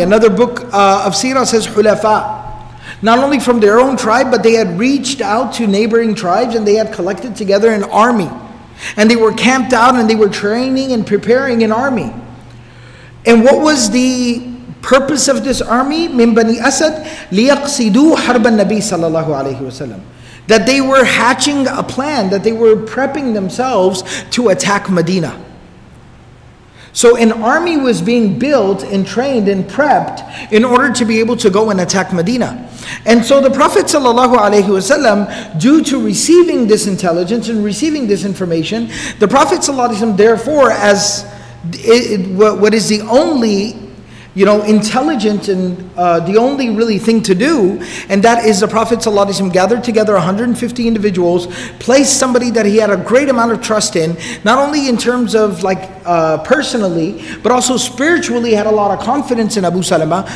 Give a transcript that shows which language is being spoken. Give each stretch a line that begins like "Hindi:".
English: Another book of Seerah says Hulafa. Not only from their own tribe, but they had reached out to neighboring tribes and they had collected together an army. And they were camped out and they were training and preparing an army. And what was the purpose of this army?
Arabic: مِن بَنِي أَسَدْ لِيَقْصِدُوا حَرْبَ النَّبِي صلى الله عليه وسلم.
English: That they were hatching a plan, that they were prepping themselves to attack Medina. So an army was being built and trained and prepped in order to be able to go and attack Medina. And so the Prophet ﷺ, due to receiving this intelligence and receiving this information, the Prophet ﷺ therefore, as what is the only intelligent and the only really thing to do, and that is the Prophet ﷺ gathered together 150 individuals, placed somebody that he had a great amount of trust in, not only in terms of like personally, but also spiritually had a lot of confidence in Abu Salama.